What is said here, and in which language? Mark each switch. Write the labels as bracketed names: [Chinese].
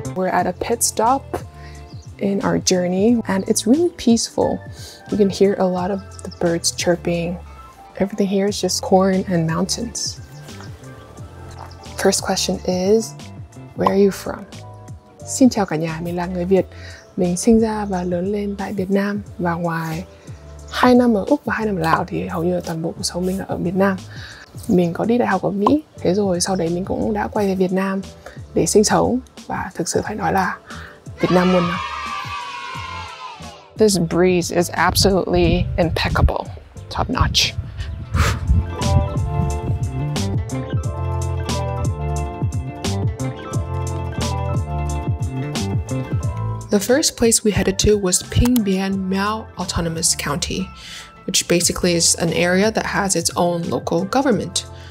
[English] At a pit stop in our journey, and it's really peaceful. You can hear a lot of the birds chirping. Everything here is just corn and mountains. First question is, where are you from? [Vietnamese] Xin chào cả nhà, mình là người Việt. Mình sinh ra và lớn lên tại Việt Nam. Và ngoài 2 năm ở Úc và 2 năm ở Lào thì hầu như là toàn bộ cuộc sống mình là ở Việt Nam. Mình có đi đại học ở Mỹ, thế rồi sau đấy mình cũng đã quay về Việt Nam để sinh sống. Và thực sự phải nói là Việt Nam muôn năm. [English] This breeze is absolutely impeccable. Top notch. The first place we headed to was Ping Bien Miao Autonomous County, which basically is an area that has its own local government.